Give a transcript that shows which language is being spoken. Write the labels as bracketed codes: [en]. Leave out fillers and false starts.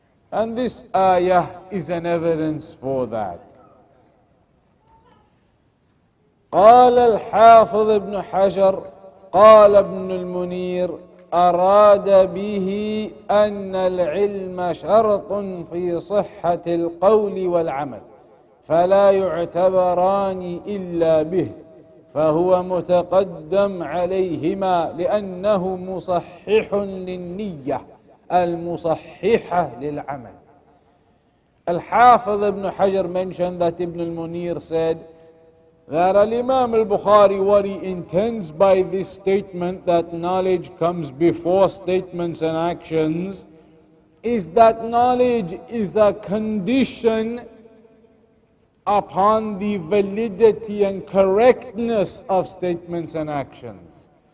[en] And this ayah is an evidence for that. [ar] قال الحافظ ابن حجر قال ابن المنير أراد به أن العلم شرط في صحة القول والعمل فلا يعتبران إلا به فهو متقدم عليهما لأنه مصحح للنية المصحح للعمل. [en] Al-Hafidh ibn Hajar mentioned that Ibn al-Munir said that Al-Imam al-Bukhari, what he intends by this statement that knowledge comes before statements and actions, is that knowledge is a condition upon the validity and correctness of statements and actions.